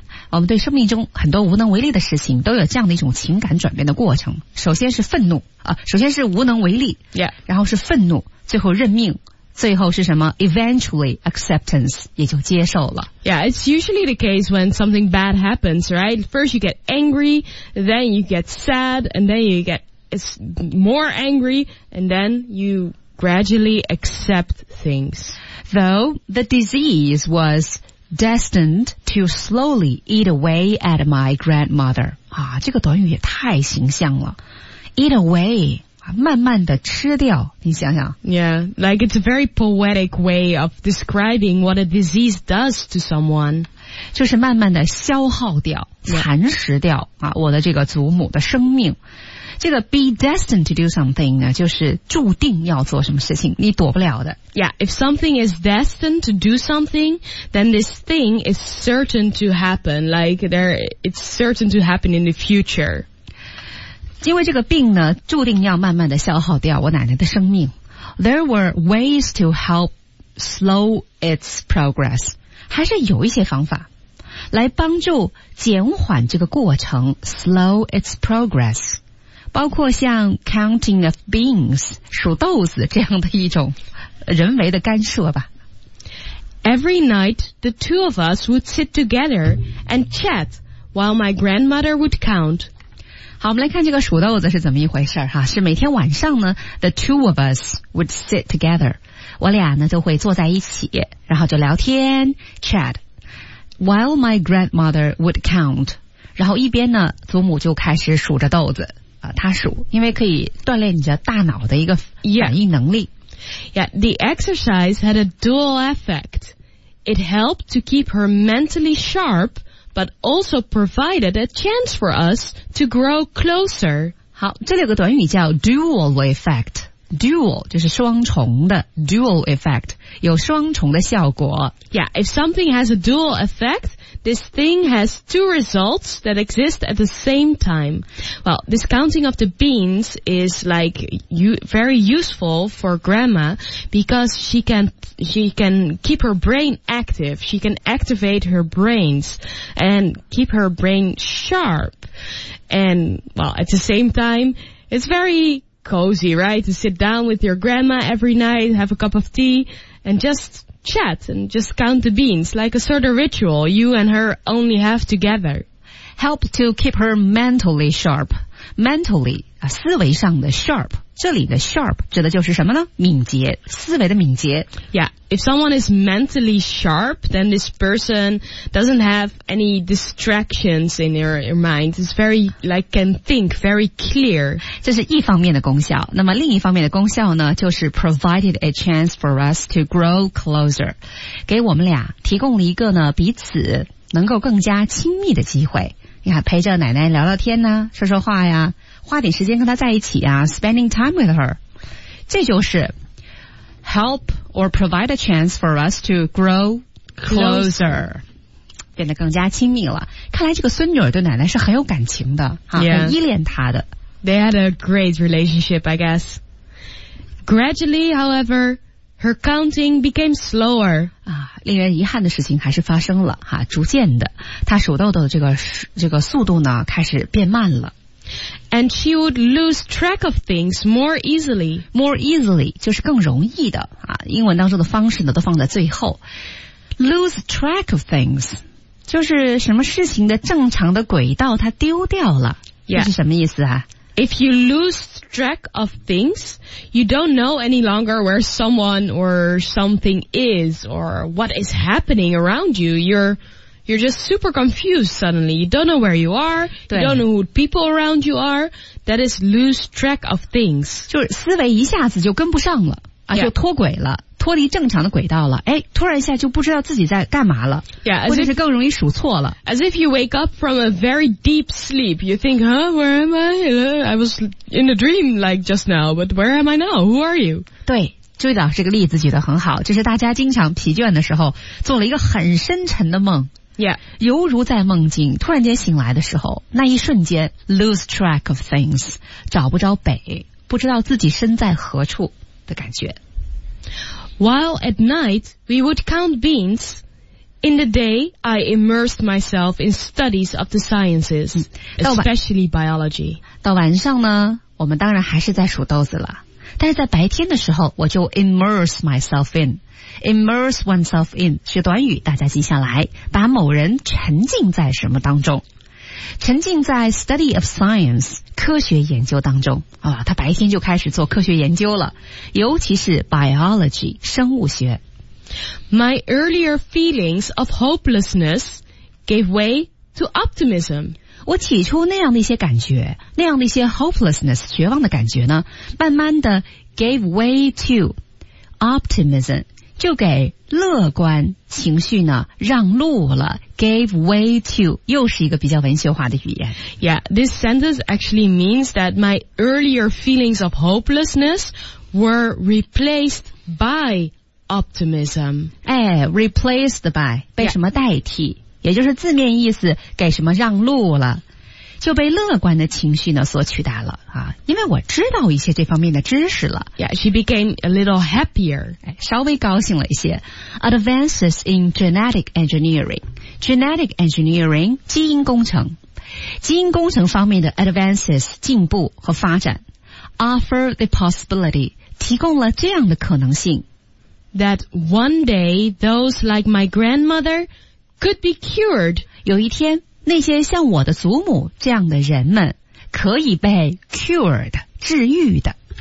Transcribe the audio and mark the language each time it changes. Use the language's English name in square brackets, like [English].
[Chinese] 我们对生命中很多无能为力的事情都有这样的一种情感转变的过程。首先是愤怒首先是无能为力 [English] Yeah. [Chinese] 然后是愤怒最后认命最后是什么 [English] Eventually acceptance [Chinese] 也就接受了 [English] Yeah, it's usually the case when something bad happens, right? First you get angry, then you get sad, and then you get more angry, and then you gradually accept things. Though the disease was destined to slowly eat away at my grandmother. [Chinese] 啊，这个短语也太形象了。 [English] Eat away, [Chinese] 慢慢的吃掉，你想想。 [English] Yeah, like it's a very poetic way of describing what a disease does to someone. [Chinese] 就是慢慢的消耗掉蚕食掉啊，我的这个祖母的生命这个 [English] be destined to do something [Chinese] 呢，就是注定要做什么事情你躲不了的 [English] Yeah, if something is destined to do something then this thing is certain to happen like there, it's certain to happen in the future [Chinese] 因为这个病呢注定要慢慢的消耗掉我奶奶的生命 [English] There were ways to help slow its progress [Chinese] 还是有一些方法来帮助减缓这个过程 [English] slow its progress [Chinese] 包括像 [English] counting of beans [Chinese] 数豆子这样的一种人为的干涉吧 [English] Every night the two of us would sit together and chat while my grandmother would count [Chinese] 好我们来看这个数豆子是怎么一回事哈，是每天晚上呢 [English] the two of us would sit together [Chinese] 我俩呢就会坐在一起然后就聊天 [English] chat while my grandmother would count [Chinese] 然后一边呢祖母就开始数着豆子她数因为可以锻炼你的大脑的一个反应能力 [English] Yeah, the exercise had a dual effect it helped to keep her mentally sharp but also provided a chance for us to grow closer [Chinese] 好这里有个短语叫 [English] dual effect [Chinese] dual 就是双重的 dual effect 有双重的效果 [English] Yeah, if something has a dual effect this thing has two results that exist at the same time Well, this counting of the beans is like very useful for grandma because she can keep her brain active she can activate her brains and keep her brain sharp and well at the same time it's verycozy, right? To sit down with your grandma every night, have a cup of tea, and just chat and just count the beans, like a sort of ritual you and her only have together. Help to keep her mentally sharp. [Chinese] Mentally, 思维上的 sharp, 这里的 sharp 指的就是什么呢？敏捷，思维的敏捷。 [English] Yeah, if someone is mentally sharp, then this person doesn't have any distractions in their mind. It's very, like, can think very clear. [Chinese] 这是一方面的功效。那么另一方面的功效呢，就是 [English] provided a chance for us to grow closer. [Chinese] 给我们俩提供了一个呢，彼此能够更加亲密的机会。你看，陪着奶奶聊聊天呢，说说话呀，花点时间跟她在一起啊 ， [English] spending time with her， [Chinese] 这就是 [English] help or provide a chance for us to grow closer， [Chinese] 变得更加亲密了。看来这个孙女儿对奶奶是很有感情的，啊， [English] yeah. [Chinese] 很依恋她的。 [English] They had a great relationship, I guess. Gradually, however. Her counting became slower. [Chinese] 啊，令人遗憾的事情还是发生了哈，逐渐的，她数豆豆的这个速度呢，开始变慢了。 [English] And she would lose track of things more easily. More easily [Chinese] 就是更容易的啊，英文当中的方式呢都放在最后。 [English] Lose track of things [Chinese] 就是什么事情的正常的轨道她丢掉了， [English] yeah. [Chinese] 这是什么意思啊？ [English] If you lose track of things, you don't know any longer where someone or something is or what is happening around you. You're just super confused suddenly. You don't know where you are. You don't know who people around you are. That is lose track of things. [Chinese] 就是思维一下子就跟不上了、啊 [English] yeah. [Chinese] 就脱轨了脱离正常的轨道了哎，突然一下就不知道自己在干嘛了 [English] yeah, [Chinese] 或者是更容易数错了 [English] as if you wake up from a very deep sleep you think huh where am I I was in a dream like just now but where am I now who are you [Chinese] 对朱一导这个例子举得很好就是大家经常疲倦的时候做了一个很深沉的梦 [English] yeah [Chinese] 犹如在梦境突然间醒来的时候那一瞬间 [English] lose track of things [Chinese] 找不着北不知道自己身在何处的感觉 [English] While at night, we would count beans. In the day, I immersed myself in studies of the sciences, especially biology. [Chinese] 到晚上呢，我们当然还是在数豆子了。但是在白天的时候，我就 [English] immerse myself in. Immerse oneself in [Chinese] 是短语，大家记下来，把某人沉浸在什么当中。沉浸在 [English] study of science [Chinese] 科学研究当中啊，他白天就开始做科学研究了，尤其是 biology 生物学。 [English] My earlier feelings of hopelessness gave way to optimism. [Chinese] 我起初那样的一些感觉，那样的一些 hopelessness 绝望的感觉呢，慢慢的 [English] gave way to optimism， [Chinese] 就给乐观情绪呢让路了。 [English] Gave way to [Chinese] 又是一个比较文学化的语言 [English] Yeah, this sentence actually means that my earlier feelings of hopelessness were replaced by optimism [Chinese] 哎 [English] replaced by [Chinese] 被什么代替、yeah. 也就是字面意思给什么让路了就被乐观的情绪呢所取代了啊，因为我知道一些这方面的知识了 [English] Yeah, she became a little happier [Chinese] 哎，稍微高兴了一些 [English] Advances in genetic engineeringGenetic engineering, [Chinese] 基因工程。基因工程方面的 advances, 进步和发展。 [English] Offer the possibility, [Chinese] 提供了这样的可能性。 [English] That one day, those like my grandmother could be cured. [Chinese] 有一天,那些像我的祖母这样的人们可以被 cured, 治愈的。